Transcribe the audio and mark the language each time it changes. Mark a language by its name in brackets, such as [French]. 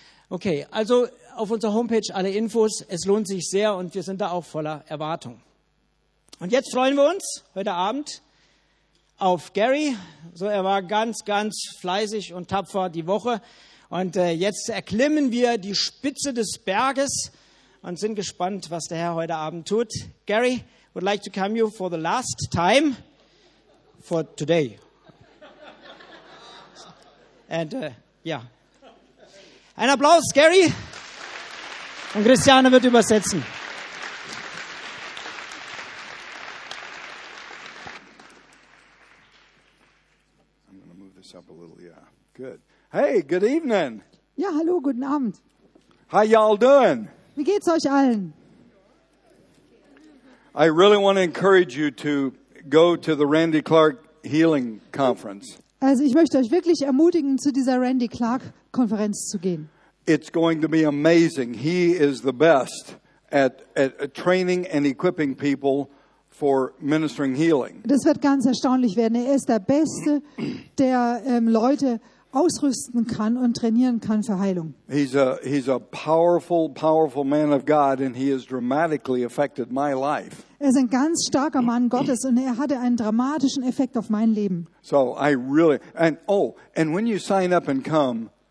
[German] Okay, also auf unserer Homepage alle Infos. Es lohnt sich sehr und wir sind da auch voller Erwartung. Und jetzt freuen wir uns heute Abend auf Gary. So, er war ganz, ganz fleißig und tapfer die Woche. Und jetzt erklimmen wir die Spitze des Berges und sind gespannt, was der Herr heute Abend tut. [English] Gary, would like to come you for the last time for today. [German] And ein Applaus, Gary. Und Christiane wird übersetzen. [English] I'm going to move this up a little, yeah. Good. Hey, good evening. [German] Ja, hallo, guten Abend. [English] How y'all doing? [German] Wie geht's euch allen? [English] I really want to encourage you to go to the Randy Clark Healing Conference. [German] Also, ich möchte euch wirklich ermutigen, zu dieser Randy Clark Konferenz zu gehen. [English] It's going to be amazing. He is the best at training and equipping people for ministering healing. [German] Das wird ganz erstaunlich werden. Er ist der Beste, der Leute ausrüsten kann und trainieren kann für Heilung. [English] He's a powerful, powerful man of God, and he has dramatically affected my life. [German] Er ist ein ganz starker Mann Gottes, und er hatte einen dramatischen Effekt auf mein Leben. [English] So I really and when you sign up and come.